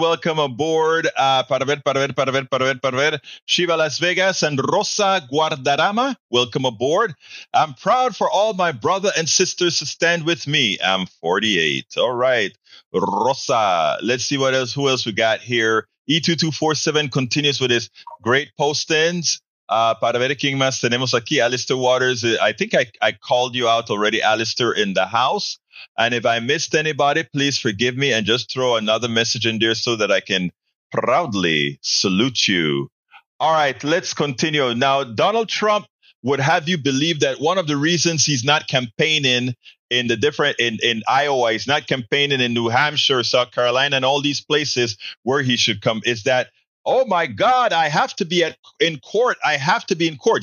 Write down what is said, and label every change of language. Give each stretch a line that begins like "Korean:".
English: Welcome aboard, Paravet, Shiva Las Vegas, and Rosa Guardarama. Welcome aboard. I'm proud for all my brother and sisters to stand with me. I'm 48. All right, Rosa. Let's see what else. Who else we got here? E2247 continues with his great postings.
Spanish: Para ver quién más tenemos aquí, Alistair Waters.
English: I think I called you out already, Alistair, in the house. And if I missed anybody, please forgive me and just throw another message in there so that I can proudly salute you. All right, let's continue. Now, Donald Trump would have you believe that one of the reasons he's not campaigning in the different in Iowa, he's not campaigning in New Hampshire, South Carolina, and all these places where he should come is that, oh my God, I have to be in court. I have to be in court.